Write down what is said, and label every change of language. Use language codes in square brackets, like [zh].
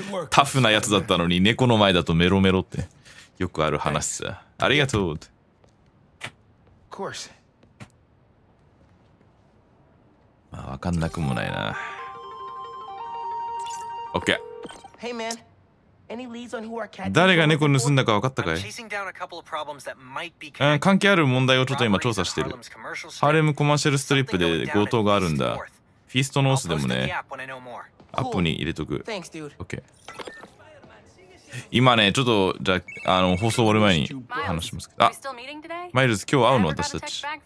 [ja] タフなやつだったのに、猫の前だとメロメロって。よくある話さ。ありがとう。 [en] Of course. [ja] まあ、わかんなくもないな。 OK。 [en] Hey man, any leads on who our cat? [ja] 誰が猫盗んだかわかったかい？関係ある問題をちょっと今調査してる。ハーレムコマーシャルストリップで強盗があるんだ。フィストノースでもね。アップに入れとく。OK。今ね、ちょっと、じゃあ、放送終わる前に話しますけど。あ、マイルズ、今日会うの私たち。